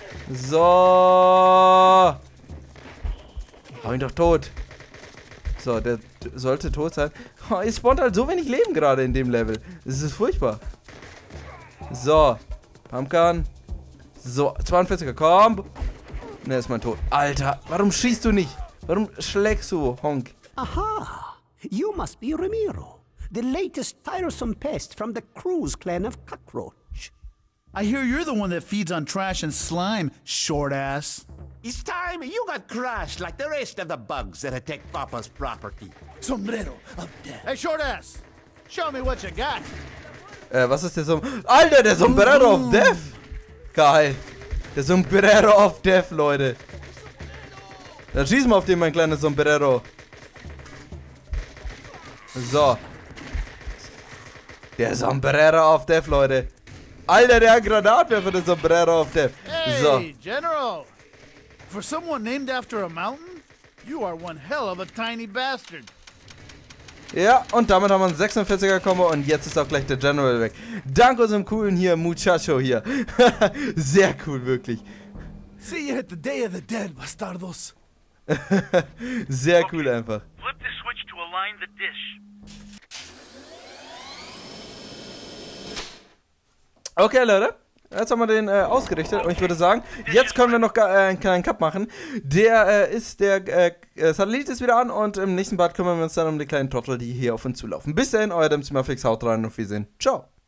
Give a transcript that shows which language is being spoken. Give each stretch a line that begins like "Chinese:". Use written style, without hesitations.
German: So! Hau ihn doch tot. So, der sollte tot sein. Oh, ihr spawnt halt so wenig Leben gerade in dem Level. Das ist furchtbar. So. Pumpgun. So, 42er, komm! Ne, ist mein Tod. Alter, warum schießt du nicht? Warum schlägst du, Honk?
English: Aha, you must be Ramiro, the latest tiresome pest from the Cruz clan of Cockroach. I hear you're the one that feeds on trash and slime, short ass. It's time you got crushed like the rest of the bugs that attack Papa's property. Sombrero of death. Hey, short ass, show me what you got.
German: Was ist der Alter, der Sombrero of death. Geil. Der Sombrero of death, Leute. Dann schieß mal auf den, mein kleiner Sombrero. So. Der Sombrero of death, Leute. Alter, der hat Granatwerfer, der Sombrero of death. So.
English: Hey, General. For someone named after a mountain, you are one hell of a tiny bastard.
German: Ja, und damit haben wir einen 46er Kombo und jetzt ist auch gleich der General weg. Dank unserem coolen hier, Muchacho hier. Sehr cool, wirklich.
English: See you at the day of the dead, bastardos.
German: Sehr cool einfach.
English: Flip the switch to align the dish.
German: Okay, Leute. Jetzt haben wir den ausgerichtet und ich würde sagen, jetzt können wir noch einen kleinen Cup machen. Satellit ist wieder an und im nächsten Part kümmern wir uns dann um die kleinen Trottel, die hier auf uns zulaufen. Bis dahin, euer Dem Zimmerfix, haut rein und auf Wiedersehen. Ciao.